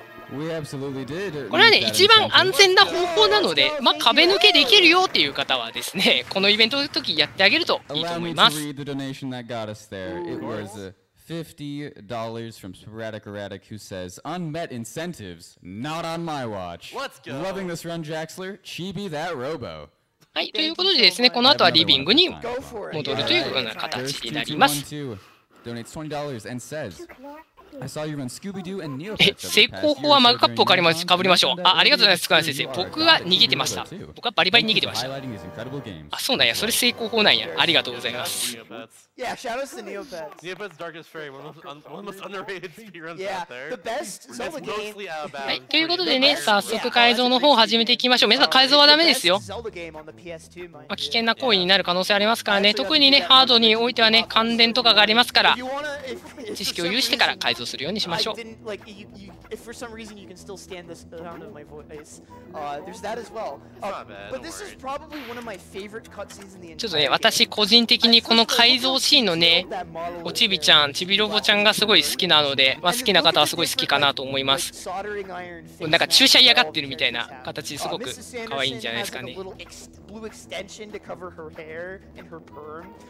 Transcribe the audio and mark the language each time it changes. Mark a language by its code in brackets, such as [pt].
[ja] これはね、一番安全な方法なので、まあ壁抜けできるよっていう方はですね、このイベントの時やってあげるといいと思います。 [en] $50 from Sporadic Erratic, who says, Unmet incentives, not on my watch. Let's go. Loving this run, Jaxler. Chibi that robo. [ja] はい、ということでですね、この後はリビングに戻るというような形になります。成功法はマグカップをかぶりましょう。あ、ありがとうございます、塚原先生。僕は逃げてました。僕はバリバリ逃げてました。あ、そうなんや、それ成功法なんや。ありがとうございます。はい、ということでね、早速改造の方を始めていきましょう。皆さん、改造はダメですよ。まあ、危険な行為になる可能性ありますからね。特にね、ハードにおいてはね、感電とかがありますから、知識を有してから改造するようにしましょう。 [en] If for some reason you can still stand the sound of my voice, there's that as well. But this is probably one of my favorite cutscenes in the entire game. [ja] ちょっとね、私個人的にこの改造シーンのね、おちびちゃん、ちびロボちゃんがすごい好きなので、まあ好きな方はすごい好きかなと思います。なんか注射嫌がってるみたいな形ですごく可愛いんじゃないですかね。 [en] Blue extension to cover her hair and her perm.